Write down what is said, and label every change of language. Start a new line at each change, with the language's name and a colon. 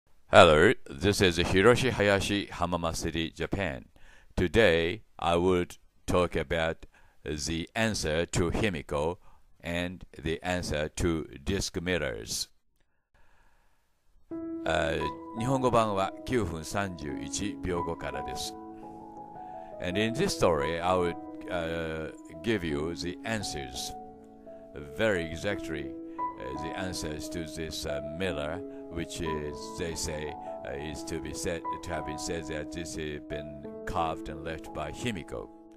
English: Hello, this is Hiroshi Hayashi, Hamama City, Japan. Today, I would talk about the answer to Himiko and the answer to disc mirrors.
Japanese: 日本語版は9分31秒後からです。
English: And in this story, I would give you the answers, very exactly the answers to this mirror. Which is, they say, is to be said, to have been said that this has been carved and left by Himiko.